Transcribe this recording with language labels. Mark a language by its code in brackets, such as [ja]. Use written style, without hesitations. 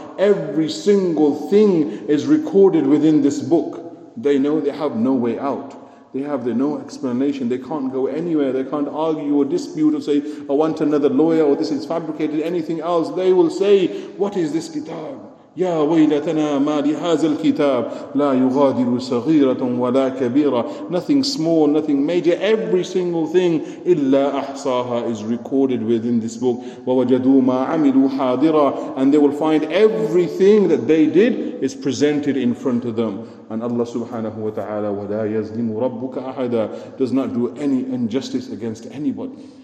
[en] Every single thing is recorded within this book. They know they have no way out. They have no explanation. They can't go anywhere. They can't argue or dispute or say, I want another lawyer, or this is fabricated, anything else. They will say, what is this kitab? [ar] يا ويلتنا ما لهذا الكتاب لا يغادر صغيرة ولا كبيرة. [en] Nothing small, nothing major, every single thing [ar] إلا أحصاها [en] is recorded within this book. [ar] ووجدوا ما عملوا حاضرا. [en] And they will find everything that they did is presented in front of them. And Allah subhanahu wa ta'ala [ar] ولا يظلم ربك أحدا [en] does not do any injustice against anybody.